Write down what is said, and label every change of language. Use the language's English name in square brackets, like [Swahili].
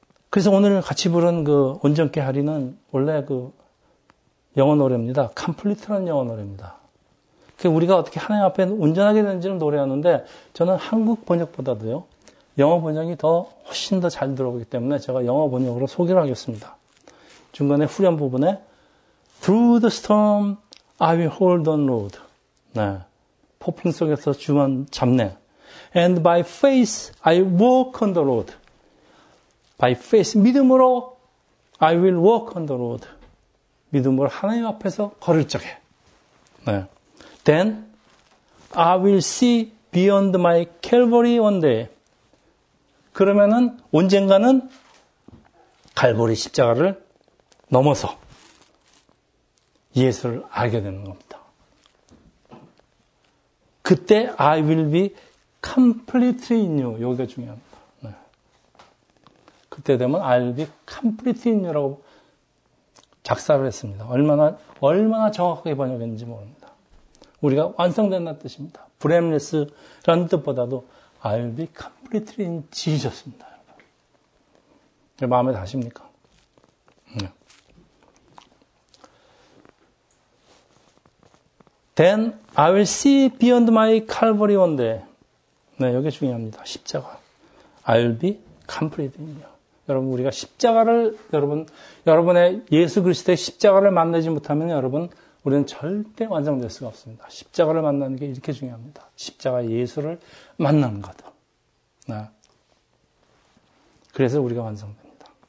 [Korean] 그래서 오늘 같이 부른 그 온전케 하리는 원래 그 영어 노래입니다. 컴플리트라는 영어 노래입니다. 우리가 어떻게 하나님 앞에 온전하게 되는지를 노래하는데 저는 한국 번역보다도요. 영어 번역이 더 훨씬 더 잘 들어오기 때문에 제가 영어 번역으로 소개를 하겠습니다. 중간에 후렴 부분에 [English] Through the storm I will hold on Lord. [Korean] 네. 폭풍 속에서 주만 잡네. [English] And by faith I walk on the road. By faith [Korean] 믿음으로 [English] I will walk on the road. [Korean] 믿음으로 하나님 앞에서 걸을 적에. 네. [English] Then I will see beyond my Calvary one day. [Korean] 그러면은 언젠가는 갈보리 십자가를 넘어서 예수를 알게 되는 겁니다. 그때 [English] I will be completely in you. [Korean] 여기가 중요합니다. 네. 그때 되면 [English] I will be completely in you라고 [Korean] 작사를 했습니다. 얼마나 정확하게 번역했는지 모릅니다. 우리가 완성된다는 뜻입니다. [English] Blameless라는 [Korean] 뜻보다도 [English] I will be completely in Jesus입니다. [Korean] 여러분. 마음에 다십니까? 네. [English] Then I will see beyond my Calvary one day. [Korean] 네, 이게 중요합니다. 십자가. [English] I will be completely in you. [Korean] 여러분, 우리가 십자가를, 여러분의 예수 그리스도의 십자가를 만나지 못하면 여러분, 우리는 절대 완성될 수가 없습니다. 십자가를 만나는 게 이렇게 중요합니다. 십자가 예수를 만나는 것. 네. 그래서 우리가 완성됩니다.